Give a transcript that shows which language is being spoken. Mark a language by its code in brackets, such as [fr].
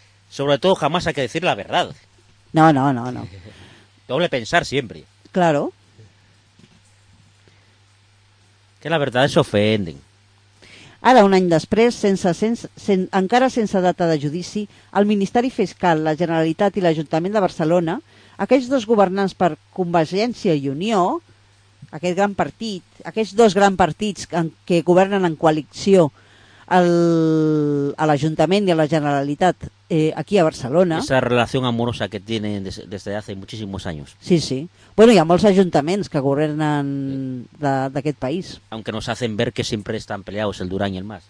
[es] Sobretot, jamás hay que decir la verdad. No. Doble pensar siempre. Claro. Que la verdad es ofending. [ca] Ara, un any després, encara sense data de judici, el Ministeri Fiscal, la Generalitat i l'Ajuntament de Barcelona, aquells dos governants per Convergència i Unió, aquest gran partit, aquests dos grans partits que governen en coalició a l'Ajuntament i a la Generalitat aquí a Barcelona. [es] Esa relació amorosa que tienen desde hace muchísimos años. Sí, sí. [ca] Bueno, hi ha molts ajuntaments que governen d'aquest país. [es] Aunque nos hacen ver que siempre están peleados el Durán y el Mas.